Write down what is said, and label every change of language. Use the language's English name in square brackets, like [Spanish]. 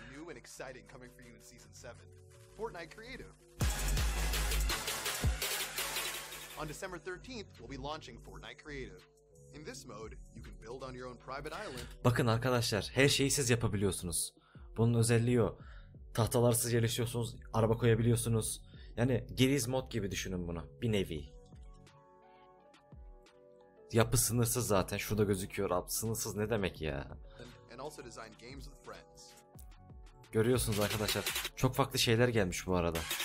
[English] And exciting coming for you in season 7. Fortnite Creative. On December 13th, we'll be launching Fortnite Creative. In this mode, you can build on your own private island. [Turkish] Bakın arkadaşlar, her şeyi siz yapabiliyorsunuz. Bunun özelliği o. Tahtalar siz yerleştiriyorsunuz, araba koyabiliyorsunuz. Yani Gears mod gibi düşünün bunu, bir nevi. Yapı sınırsız zaten. Şurada gözüküyor. Abi, sınırsız ne demek ya? [English] And also design games with friends. [Turkish] Görüyorsunuz arkadaşlar, çok farklı şeyler gelmiş bu arada.